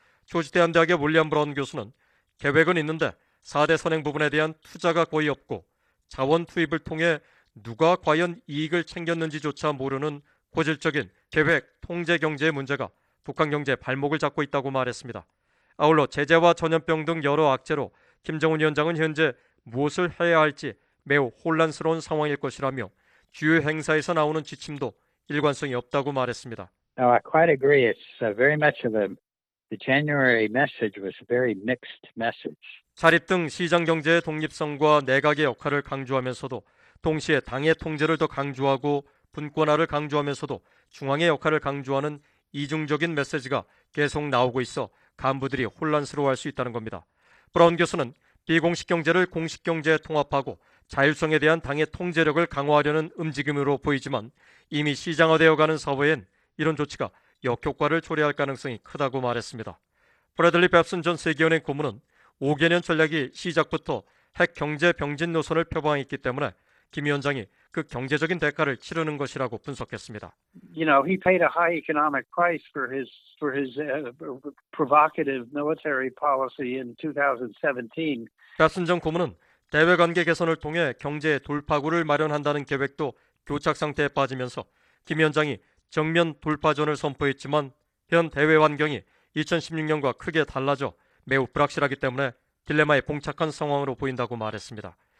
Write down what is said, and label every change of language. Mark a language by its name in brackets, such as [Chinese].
[Korean] 조지대한대학의 윌리엄 브라운 교수는 계획은 있는데 4대 선행 부분에 대한 투자가 거의 없고 자원 투입을 통해 누가 과연 이익을 챙겼는지조차 모르는 고질적인 계획 통제 경제의 문제가 북한 경제에 발목을 잡고 있다고 말했습니다. 아울러 제재와 전염병 등 여러 악재로 김정은 위원장은 현재 무엇을 해야 할지 매우 혼란스러운 상황일 것이라며 주요 행사에서 나오는 지침도 일관성이 없다고 말했습니다. [English] Now, I quite agree. It's very much of a the January message was a very mixed message. [Korean] 자립 등 시장 경제의 독립성과 내각의 역할을 강조하면서도 동시에 당의 통제를 더 강조하고 분권화를 강조하면서도 중앙의 역할을 강조하는 이중적인 메시지가 계속 나오고 있어 간부들이 혼란스러워할 수 있다는 겁니다. 브라운 교수는 비공식 경제를 공식 경제에 통합하고 자율성에 대한 당의 통제력을 강화하려는 움직임으로 보이지만 이미 시장화되어가는 사회엔 이런 조치가 역효과를 초래할 가능성이 크다고 말했습니다. 브래들리 뱁슨 전 세계은행 고문은 5개년 전략이 시작부터 핵 경제 병진 노선을 표방했기 때문에 김 위원장이 그 경제적인 대가를 치르는 것이라고 분석했습니다. [English] You know, he paid a high economic price for his provocative military policy in 2017. [Korean] 배슨정 고문은 대외 관계 개선을 통해 경제의 돌파구를 마련한다는 계획도 교착 상태에 빠지면서 김 위원장이 정면 돌파전을 선포했지만 현 대외 환경이 2016년과 크게 달라져 매우 불확실하기 때문에 딜레마에 봉착한 상황으로 보인다고 말했습니다.